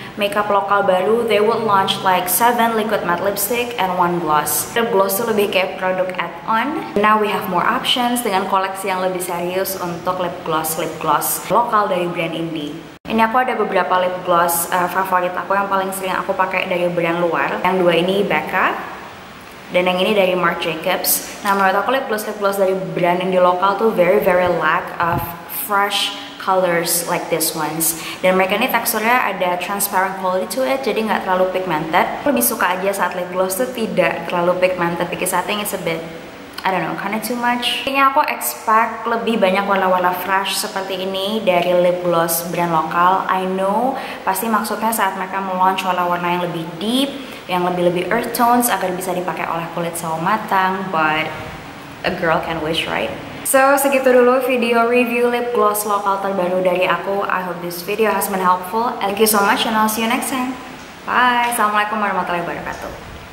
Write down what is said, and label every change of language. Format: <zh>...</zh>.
<id>makeup lokal baru,</id> <en>they would launch like 7 liquid matte lipstick and 1 gloss. The gloss</en> <id>tuh lebih kayak produk add-on.</id> <en>Now we have more options</en> <id>dengan koleksi yang lebih serius untuk lip gloss lokal dari brand indie. Ini aku ada beberapa lip gloss favorit aku yang paling sering aku pakai dari brand luar. Yang dua ini Becca, dan yang ini dari Marc Jacobs. Nah, menurut aku lip gloss dari brand indie lokal tuh</id> <en>very very lack of fresh colors like this ones.</en> <id>Dan mereka ini teksturnya ada</id> <en>transparent quality to it,</en> <id>jadi nggak terlalu pigmented. Aku lebih suka aja saat lip gloss tuh tidak terlalu pigmented,</id> <en>because I think it's a bit, I don't know, kinda too much.</en> <id>Kayaknya aku expect lebih banyak warna-warna fresh seperti ini dari lip gloss brand lokal.</id> <en>I know,</en> <id>pasti maksudnya saat mereka meluncur warna-warna yang lebih deep, yang lebih-lebih earth tones, agar bisa dipakai oleh kulit sawo matang,</id> <en>but a girl can wish, right?</en> <id>So, segitu dulu video review lip gloss lokal terbaru dari aku.</id> <en>I hope this video has been helpful. Thank you so much, and I'll see you next time. Bye! Assalamualaikum warahmatullahi wabarakatuh.</en>